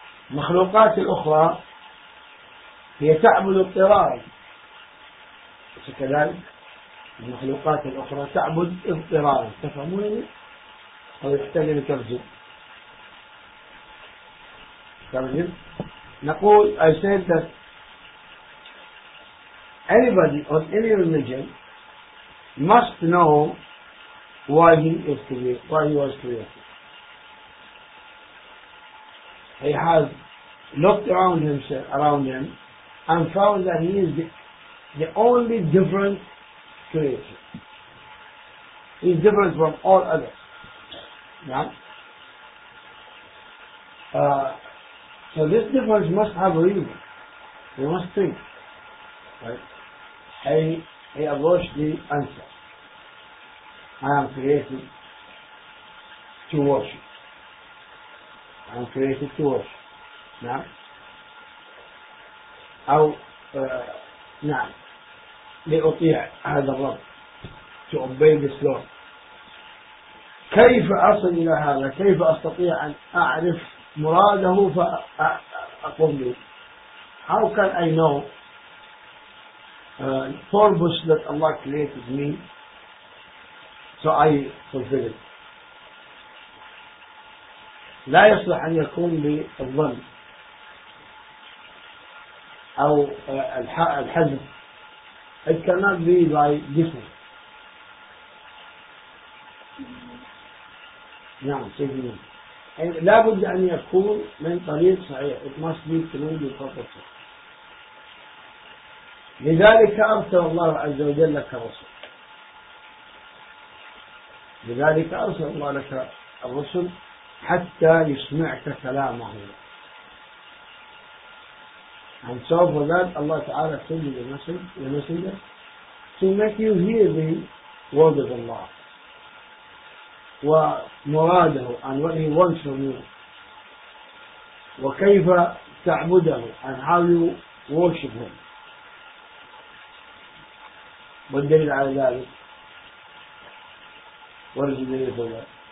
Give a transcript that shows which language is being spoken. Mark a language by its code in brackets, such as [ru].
[ar] مخلوقات الأخرى هي تعبد اضطرارا، كذلك المخلوقات الأخرى تعبد اضطرارا، تفهموني؟ أو يحتاج لترجم، ترجم. نقول [en] I said that anybody on any religion must know why he is created, why he was created. He has looked around himself, around him, and found that he is the only different creature. He is different from all others. Yeah? So this difference must have a reason. We must think. Right? He approached the answer. I am created to worship. I am created to worship. Now, [ar] أو نعم لأطيع هذا الرب، [en] to obey this law. [ar] كيف أصل إلى هذا؟ كيف أستطيع أن أعرف مراده فأقوم به؟ [en] How can I know purpose that Allah created me so I fulfill it? [ar] لا يصلح أن يكون بالظن أو الحزم. [en] It cannot be by guessing. [ar] نعم سيدنا. لا بد أن يكون من طريق صحيح. [en] It must be through the proper way. [ar] لذلك أرسل الله عز وجل لك رسول. لذلك أرسل الله لك الرسل حتى يسمعك كلامه. [en] And so for that Allah تعالى send you the messenger to make you hear the word of Allah [ar] ومراده [en] and what he wants from you [ar] وكيف تعبده [en] and how you worship him. [ar] والدليل على ذلك ورد الدليل على ذلك